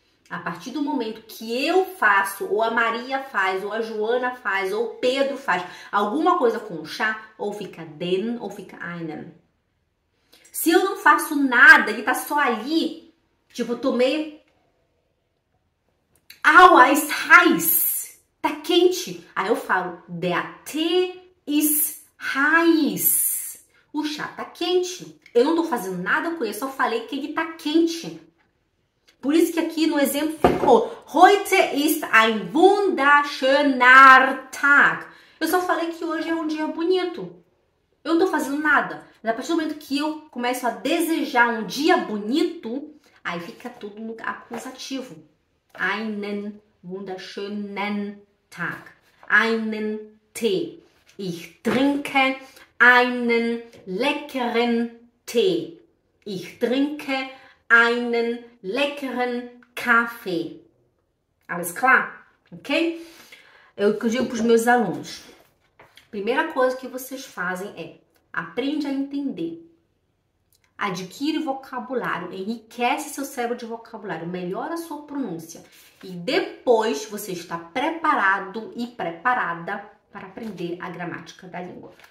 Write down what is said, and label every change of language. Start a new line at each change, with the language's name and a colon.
Portuguese: A partir do momento que eu faço, ou a Maria faz, ou a Joana faz, ou o Pedro faz alguma coisa com chá, ou fica den, ou fica einen. Se eu não faço nada, ele tá só ali, tipo, tomei Auweis Heiß. Tá quente. Aí eu falo,
German: der Tee ist heiß.
Portuguese: O chá tá quente. Eu não tô fazendo nada com ele, só falei que ele tá quente. Por isso que aqui no exemplo ficou:
German: Heute ist ein wunderschöner Tag.
Portuguese: Eu só falei que hoje é um dia bonito. Eu não tô fazendo nada. Mas a partir do momento que eu começo a desejar um dia bonito, aí fica tudo no acusativo.
German: Einen wunderschönen Tag. Einen Tee. Ich trinke einen leckeren Tee. Ich trinke einen leckeren Kaffee. Alles klar? Ok?
Portuguese: Eu digo para os meus alunos. Primeira coisa que vocês fazem é: aprende a entender. Adquire vocabulário. Enriquece seu cérebro de vocabulário. Melhora sua pronúncia. E depois você está preparado e preparada para aprender a gramática da língua.